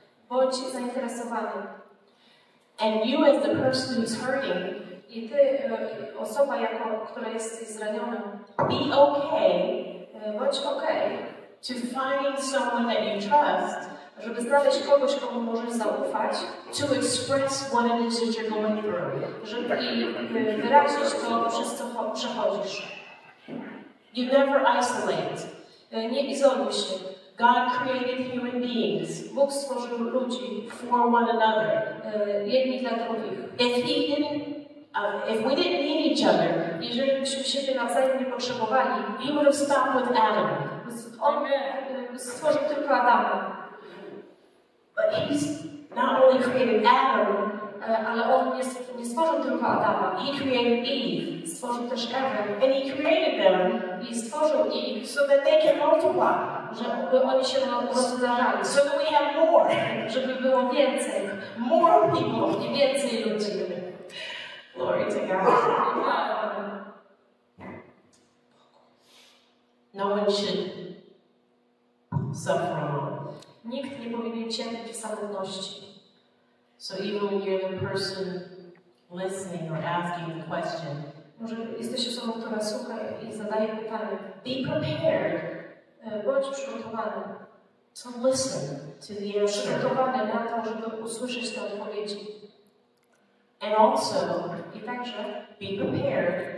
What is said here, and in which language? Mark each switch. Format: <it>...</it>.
<pl>Bądź zainteresowany.</pl> <en>And you as the person who's hurting.</en> <pl>I ty, osoba, jako, która jest zraniona.</pl> <en>Be okay.</en> <pl>Bądź okay.</pl> <en>To finding someone that you trust.</en> <pl>Żeby znaleźć kogoś, komu możesz zaufać,</pl> <en>to express what it is that you're going through,</en> <pl>żeby wyrazić to, przez co przechodzisz.</pl> <en>You never isolate.</en> <pl>Nie izoluj się.</pl> <en>God created human beings.</en> <pl>Bóg stworzył ludzi</pl> <en>for one another.</en> <pl>Jedni dla drugich.</pl> <en>If we didn't need each other,</en> <pl>jeżeli byśmy siebie nawzajem nie potrzebowali,</pl> <en>He would have stopped with Adam.</en> <pl>On stworzył tylko Adama.</pl> <en>But He's not only created Adam,</en> <pl>ale On nie stworzył tylko Adama.</pl> <en>He created Eve.</en> <pl>Stworzył też Ewę.</pl> <en>And He created them.</en> <pl>I stworzył ich,</pl> <en>so that they can multiply.</en> <pl>żeby oni się rozdarzali.</pl> <en>So that we have more.</en> <pl>Żeby było więcej.</pl> <en>More people.</en> <pl>I więcej ludzi.</pl> <en>Glory to God. No one should suffer alone.</en> <pl>Nikt nie powinien cierpieć w samotności.</pl> <en>So even when you're the person listening or asking the question,</en> <pl>może jesteś osobą, która słucha i zadaje pytanie.</pl> <en>Be prepared.</en> <pl>Bądź przygotowany.</pl> <en>To listen to the answer.</en> <pl>Przygotowany na to, żeby usłyszeć te odpowiedzi.</pl> <en>And also,</en> <pl>i także,</pl> <en>be prepared.</en>